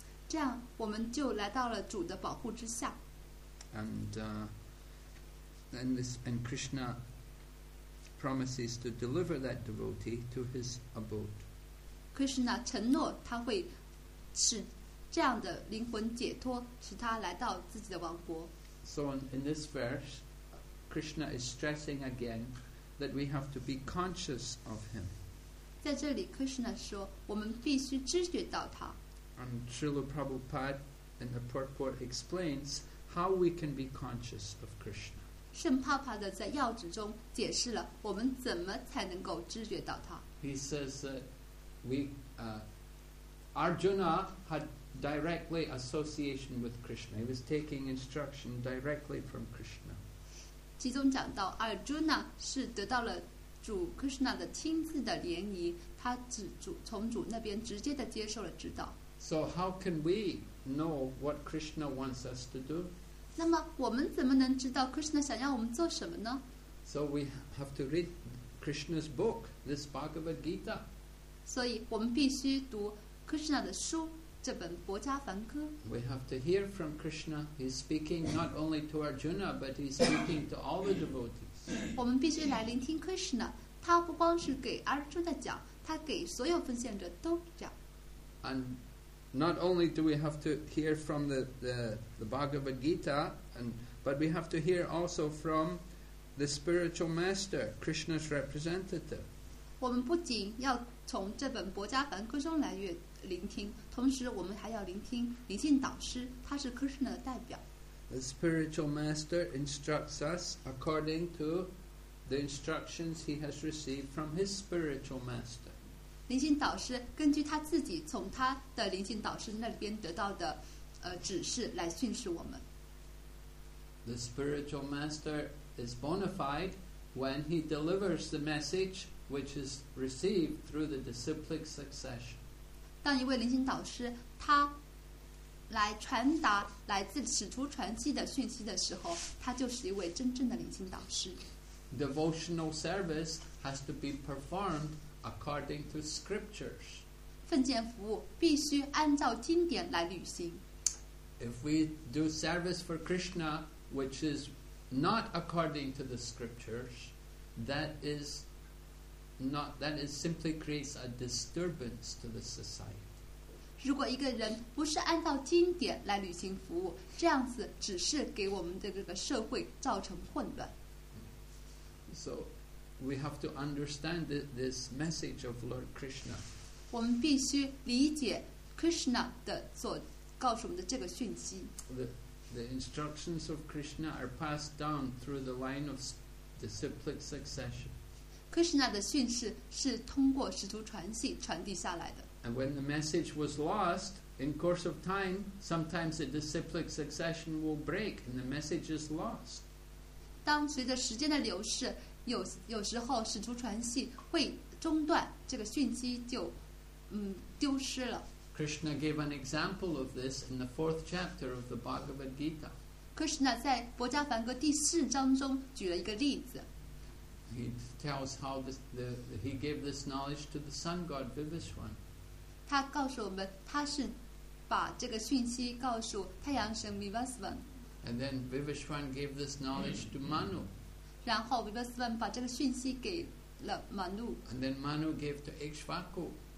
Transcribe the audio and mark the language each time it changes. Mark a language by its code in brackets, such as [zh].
[zh] 这样我们就来到了主的保护之下。 [en] And Krishna promises to deliver that devotee to his abode. [zh] Krishna 承诺他会使这样的灵魂解脱，使他来到自己的王国。 [en] So in this verse, Krishna is stressing again that we have to be conscious of him. [zh] 在这里 Krishna 说我们必须知觉到他。 [en] And Srila Prabhupada in the purport explains how we can be conscious of Krishna. [zh] 圣帕帕的在要旨中解释了我们怎么才能够知觉到他。 [en] He says that Arjuna had directly association with Krishna. He was taking instruction directly from Krishna. [zh] 其中讲到 Arjuna 是得到了主 Krishna 的亲自的联谊，他从主那边直接的接受了指导。 [en] So how can we know what Krishna wants us to do? [zh] 那么我们怎么能知道 Krishna 想要我们做什么呢？ [en] So we have to read Krishna's book, this Bhagavad Gita. [zh] 所以我们必须读 Krishna 的书。 [en] We have to hear from Krishna. He's speaking not only to Arjuna, but he's speaking to all the devotees. [zh] 我们必须来聆听 Krishna. 他不光是给 Arjuna 讲，他给所有奉献者都讲。 [en] And not only do we have to hear from the Bhagavad Gita, but we have to hear also from the spiritual master, Krishna's representative. [zh] 我们不仅要从这本《薄伽梵歌》中来聆听，同时我们还要聆听灵性导师，他是 Krishna 的代表。 [en] The spiritual master instructs us according to the instructions he has received from his spiritual master. [zh] 灵性导师根据他自己从他的灵性导师那边得到的指示来训示我们。 [en] The spiritual master is bona fide when he delivers the message which is received through the disciplic succession. [zh] 当一位灵性导师他来传达来自使徒传记的讯息的时候，他就是一位真正的灵性导师。 [en] Devotional service has to be performed according to scriptures. [zh] 奉献服务必须按照经典来履行。 [en] If we do service for Krishna which is not according to the scriptures, that is simply creates a disturbance to the society. [zh] 如果一个人不是按照经典来履行服务，这样子只是给我们的这个社会造成混乱。 [en] So we have to understand this message of Lord Krishna. [zh] 我们必须理解 Krishna 的所告诉我们的这个讯息。 [en] The, the instructions of Krishna are passed down through the line of the cyclic succession. [zh] Krishna 的训示是通过使徒传信传递下来的。 [en] And when the message was lost, in course of time, sometimes the cyclic succession will break and the message is lost. [zh] 当随着时间的流逝，有时候使徒传信会中断，这个讯息就丢失了。 [en] Krishna gave an example of this in the fourth chapter of the Bhagavad Gita. [zh] Krishna 在博迦梵歌第四章中举了一个例子。 [en] He tells how he gave this knowledge to the sun god Vivishvan. [zh] 他告诉我们，他是把这个讯息告诉太阳神 Vivishvan. [en] And then Vivishvan gave this knowledge to Manu. [zh] 然后 Vivishvan 把这个讯息给了 Manu. [en] And then Manu gave to Ikshvaku.